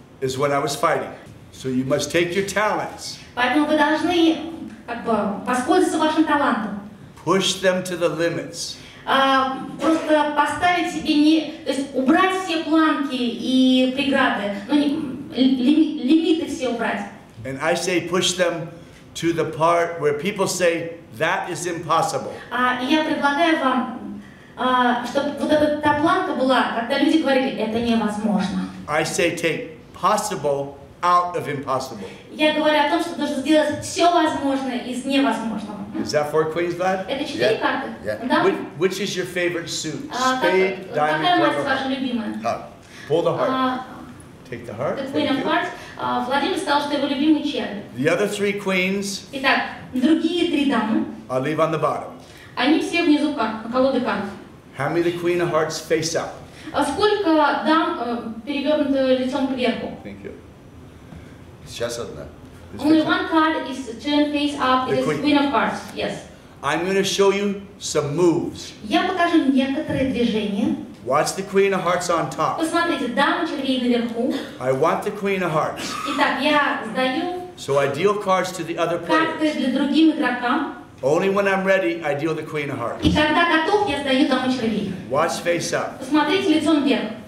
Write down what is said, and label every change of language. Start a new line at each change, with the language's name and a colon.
English: Is when I was fighting. So you must take your talents.
Russian: Поэтому вы должны как бы воспользоваться вашим талантом.
English: Push them to the limits.
Russian: Просто поставить себе не, то есть убрать все планки и преграды, ну не лимиты все убрать.
English: And I say push them to the part where people say that is impossible.
Russian: Я предлагаю вам, чтобы вот эта та планка была, когда люди говорили, это невозможно.
English: I say take possible out of impossible.
Russian: Я говорю о том, что нужно сделать все возможное из невозможного.
English: Is that four queens, Vlad?
Russian: Это четыре карты.
English: Yeah.
Russian: Да?
English: Which is your favorite suit? Spade, diamond,
Russian: clever. Какая ваша любимая?
English: Heart. Pull the heart. Take the heart. The queen of hearts.
Russian: Владимир сказал, что его любимый червь.
English: The other three queens.
Russian: Итак, другие три дамы.
English: I'll leave on the bottom.
Russian: Они все внизу колоды карт.
English: Hand me the queen of hearts face up.
Russian: Сколько дам перевернуто лицом кверху?
English: Thank you.
Russian: Сейчас одна.
English: Only one card is turned face up. It is queen of hearts. Yes. I'm going to show you some moves.
Russian: Я покажу некоторые движения.
English: Watch the queen of hearts on top.
Russian: Посмотрите, дама червей наверху.
English: I want the queen of hearts.
Russian: Итак, я сдаю.
English: So I deal cards to the other players.
Russian: Карты для другим игрокам.
English: Only when I'm ready, I deal the queen of hearts.
Russian: И когда готов, я сдаю даму червей.
English: Watch face up.
Russian: Посмотрите лицом вверх.